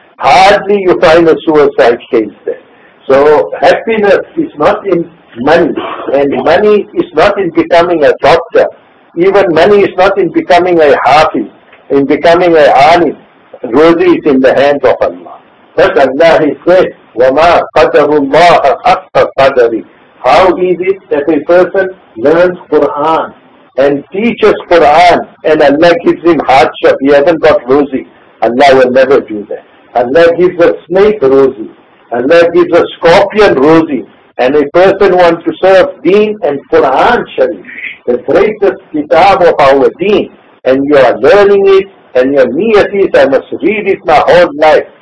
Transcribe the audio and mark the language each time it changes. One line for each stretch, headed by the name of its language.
English: Hardly you find a suicide case there. So happiness is not in money. And money is not in becoming a doctor. Even money is not in becoming a hafiz. In becoming a alim. Rosy is in the hands of Allah. But Allah has said,
Arabic: وَمَا قَدَرُ اللَّهَ حَقَّ قَدَرِ.
English: How is it that a person learns Quran and teaches Quran and Allah gives him hardship, he hasn't got rosy. Allah will never do that. Allah gives a snake rosy. Allah gives a scorpion rosy. And a person wants to serve Deen and Quran Sharif, the greatest kitab of our Deen, and you are learning it and your niyat is, I must read it my whole life.